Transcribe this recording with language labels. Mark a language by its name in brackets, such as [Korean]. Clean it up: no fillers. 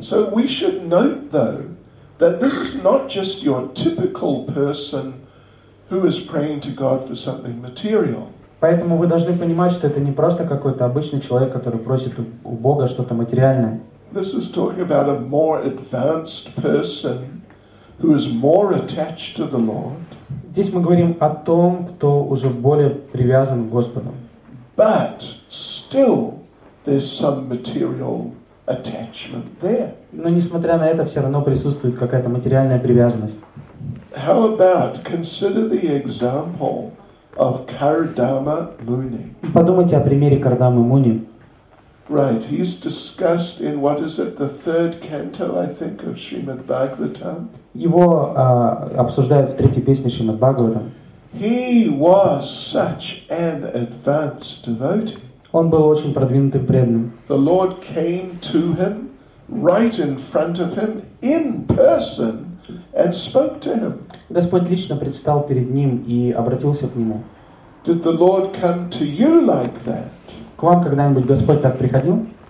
[English] So we should note, though, that this is not just your typical person who is praying to God for something material. [Russian] Поэтому вы должны понимать, что это не просто какой-то обычный человек, который просит у Бога что-то материальное. [English] This is talking about a more advanced person who is more attached to the Lord. [Russian] Здесь мы говорим о том, кто уже более привязан к Господу. [English] But still there's some material attachment there. [Russian] Но несмотря на это, все равно присутствует какая-то материальная привязанность. [English] How about consider the example of Kardama Muni? [Russian] Подумайте о примере Кардамы Муни. [English] Right, he's discussed in what is it, the third canto, I think, of Srimad Bhagavatam. [Russian] Его обсуждают в третьей песне Шримад Бхагаватам. [English] He was such an advanced devotee. [Russian] Он был очень продвинутым преданным. [English] The Lord came to him right in front of him in person and spoke to him. [Russian] Господь лично предстал перед ним и обратился к нему. [English] Did the Lord come to you like that? [Russian] К вам когда-нибудь Господь так приходил?